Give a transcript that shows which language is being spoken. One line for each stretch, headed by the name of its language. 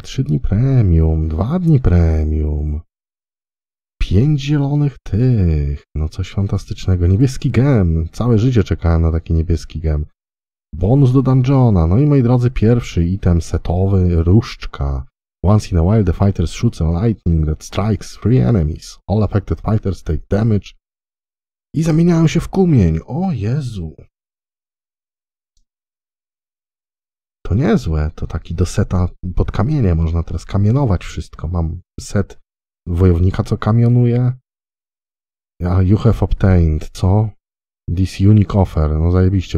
Polish: 3 dni premium. 2 dni premium. 5 zielonych tych. No coś fantastycznego. Niebieski gem. Całe życie czekałem na taki niebieski gem. Bonus do dungeona. No i moi drodzy, pierwszy item setowy. Różdżka.
English: Once in a while the fighters shoots a lightning that strikes three enemies. All affected fighters take damage.
Polish: I zamieniają się w kumień. O Jezu. To niezłe. To taki do seta pod kamienie. Można teraz kamienować wszystko. Mam set wojownika, co kamionuje.
English: Yeah, you have obtained.
Polish: Co?
English: This unique offer.
Polish: No zajebiście.